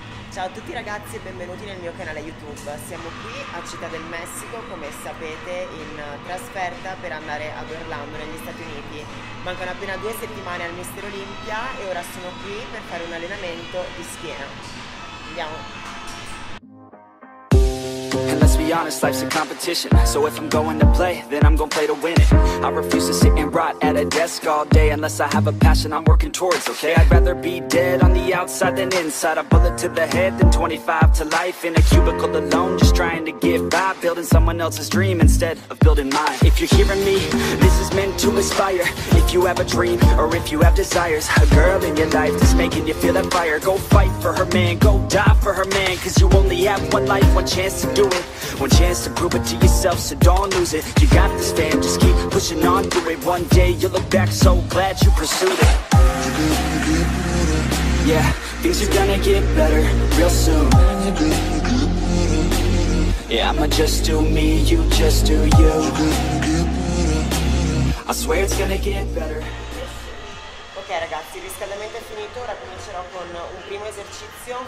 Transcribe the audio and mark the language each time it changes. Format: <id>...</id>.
<it>Ciao a tutti ragazzi e benvenuti nel mio canale YouTube. Siamo qui a Città del Messico, come sapete, in trasferta per andare ad Orlando negli Stati Uniti. Mancano appena 2 settimane al Mister Olimpia e ora sono qui per fare un allenamento di schiena. Andiamo!</it> <en>Honest, life's a competition. So if I'm going to play, then I'm gonna play to win it. I refuse to sit and rot at a desk all day unless I have a passion I'm working towards, okay? I'd rather be dead on the outside than inside. A bullet to the head than 25 to life in a cubicle alone, just trying to get by. Building someone else's dream instead of building mine. If you're hearing me, this is meant to inspire. If you have a dream or if you have desires, a girl in your life that's making you feel that fire. Go fight for her, man. Go die for her, man. Cause you only have one life, one chance to do it. One chance to prove it to yourself, so don't lose it. You got this, fam, just keep pushing on through it. One day you'll look back so glad you pursued it. Yeah, things are gonna get better real soon. Yeah, I'ma just do me, you just do you. I swear it's gonna get better.</en> <it>Ok ragazzi, il riscaldamento è finito. Ora comincerò con un primo esercizio.</it>